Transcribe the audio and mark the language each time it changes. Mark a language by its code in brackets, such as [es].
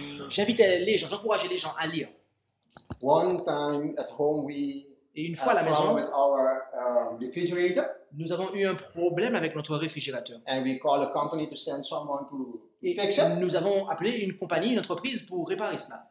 [fr] J'invitais les gens, j'encourageais les gens à lire. [en] One time at home we [fr] et une fois à la maison, [en] with our, refrigerator, [fr] nous avons eu un problème avec notre réfrigérateur. [en] And we called a company to send someone to [fr] et [en] fix it. [fr] Nous avons appelé une compagnie, une entreprise pour réparer cela.